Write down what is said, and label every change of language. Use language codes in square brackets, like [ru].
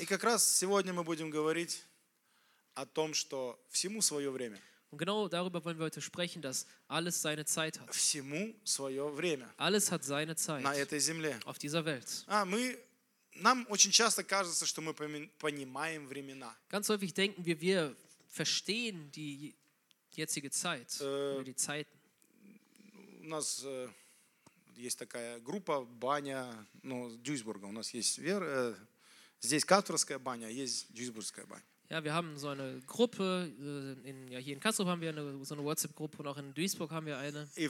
[ru] И как раз сегодня мы будем говорить о том, что всему свое время. [de] Und genau darüber wollen wir heute sprechen, dass alles seine Zeit hat. [ru] Всему свое время. [de] Alles hat seine Zeit. [ru] На этой земле. [de] Auf dieser Welt. [ru] А мы нам очень часто кажется, что мы понимаем времена. [de] Ganz häufig denken wir, wir verstehen die jetzige Zeit, die Zeiten. [ru] У нас есть такая группа баня, ну, Дюйсбурга. У нас есть здесь Кастровская баня, есть Дюйсбургская баня. [de] Ja, wir haben so eine Gruppe, in, ja, hier in Kassel haben wir eine, so eine WhatsApp-Gruppe und auch in Duisburg haben wir eine.